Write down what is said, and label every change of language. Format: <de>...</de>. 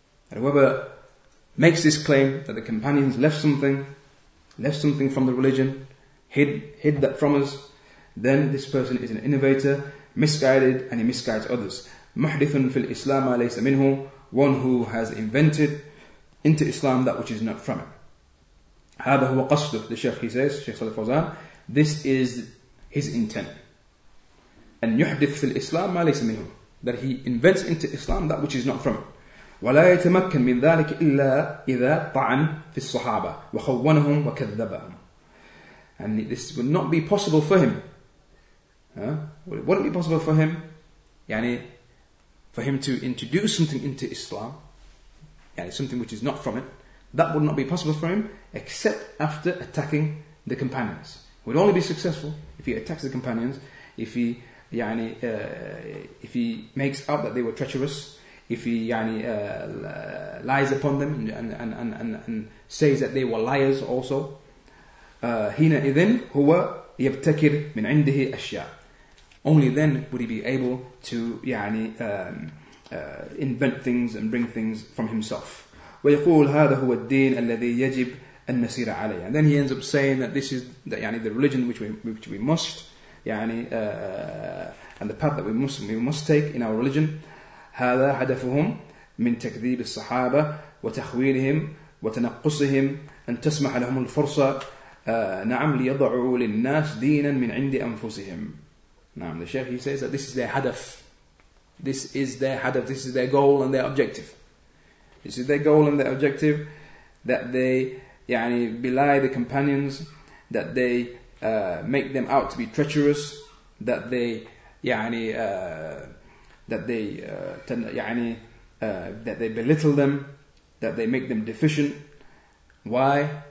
<en>And whoever makes this claim that the companions left something from the religion, hid that from us, then this person is an innovator, misguided, and he misguides others.</en> <ar>مُحْدِثٌ فِي الْإِسْلَامَ لَيْسَ مِنْهُ.</ar> <en>One who has invented into Islam that which is not from it.</en> <ar>هَذَا هُوَ قَصْدُهُ.</ar> <en>The Shaykh, he says, Shaykh Salih Fawzan, this is his intent.</en> <ar>And يُحْدِثُ فِي الْإِسْلَامَ مَا لَيْسَ مِنْهُ.</ar> <en>That he invents into Islam that which is not from it.</en> <ar>وَلَا يَتَمَكَّنْ مِنْ ذَلِكِ إِلَّا إِذَا طَعَنْ فِي الصُّحَابَةِ وَخَوَّنَهُمْ وَكَذَّبَهُمْ.</ar> <en>And this would not be possible for him. Huh? It wouldn't be possible for him, يعني, for him to introduce something into Islam, يعني, something which is not from it, that would not be possible for him, except after attacking the companions. It would only be successful if he attacks the companions, if he, يعني, if he makes out that they were treacherous, if he يعني, lies upon them and says that they were liars also.</en> <ar>هنا إذن هو يبتكر من عنده أشياء.</ar> <en>Only then would he be able to يعني, invent things and bring things from himself.</en> <ar>ويقول هذا هو الدين الذي يجب أن نسير عليه.</ar> <en>And then he ends up saying that this is that, يعني, the religion which we must يعني, and the path that we must take in our religion.</en> <ar>هذا هدفهم من تكذيب الصحابة وتخويلهم وتنقصهم أن تسمح لهم الفرصة نعم ليضعوا للناس دينا من عند أنفسهم.</ar> <en>Now the Shaykh, he says that this is their hadaf. This is their hadaf, this is their goal and their objective. This is their goal and their objective, that they يعني, belie the companions, that they make them out to be treacherous, that they يعني, that they belittle them, that they make them deficient. Why?</en>